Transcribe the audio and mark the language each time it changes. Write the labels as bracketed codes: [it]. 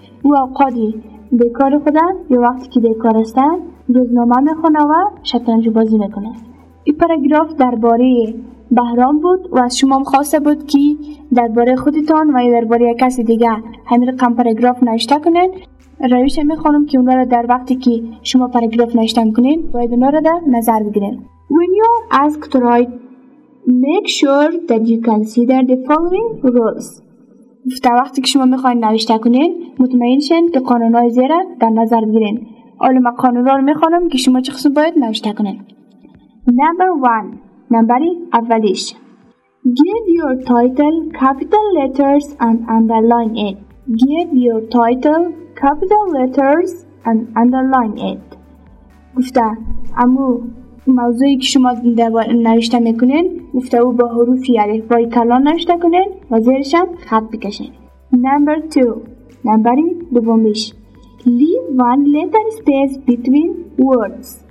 [fa] او اوقاتی بیکار خود یا وقتی که بیکار است، روزنامه میخونه و شطرنج بازی میکنه. این پاراگراف درباره بهرام بود و از شما خواسته بود که درباره خودتان و یا درباره کسی دیگه همین رقم پاراگراف نوشته کنین. رویش می خونم که اونا را در وقتی که شما پاراگراف نوشته کنین باید اونا را در نظر بگیرین. [en] When you ask to write, make sure that you consider the following rules. [fa] تا وقتی که شما می خواهید نوشته کنین مطمئن شین که قانون های زیر در نظر بگیرین. اول ما قانون را می خونم که شما چه خصوص باید نوشته کنین. [en] Number one. [fa] نمبری اولیش. [en] Give your title capital letters and underline it. Give your title capital letters and underline it. [fa] گفتم عمو موضوعی که شما نوشته میکنین گفته او با حروف یلیف بای کلا نوشته کنین و زیرش هم خط بکشین. [en] Number two. [fa] نمبری دومیش. [en] Leave one letter space between words.